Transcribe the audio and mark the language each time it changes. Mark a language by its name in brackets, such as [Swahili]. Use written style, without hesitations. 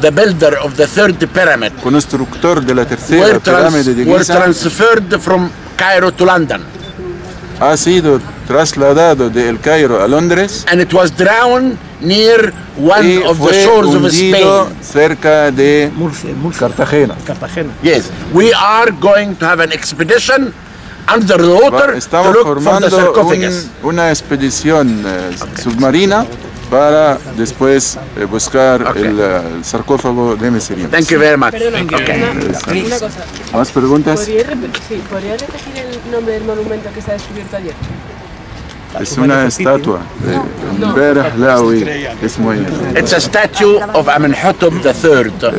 [English] the builder of the third pyramid, [Spanish] constructor de la tercera pirámide de Giza, [English] were transferred from Cairo to London. [Spanish] Ha sido trasladado de El Cairo a Londres. [English] And it was drowned near one of the shores of Spain. [Spanish] Y fue hundido cerca de Murcia. Cartagena. Cartagena. [English] Yes, we are going to have an expedition under the water. [Spanish] Estamos [English] to look [Spanish] formando [English] for the sarcophagus. [Spanish] Una expedición submarina para después buscar el sarcófago de Mecerinos. [English] Thank you very much. [Spanish] Perdona, una cosa. ¿Más preguntas? ¿Podría repetir el nombre del monumento que se ha descubierto ayer? Es una estatua de Berahlawi. Es muy importante. [English] It's a statue of Amenhotep III.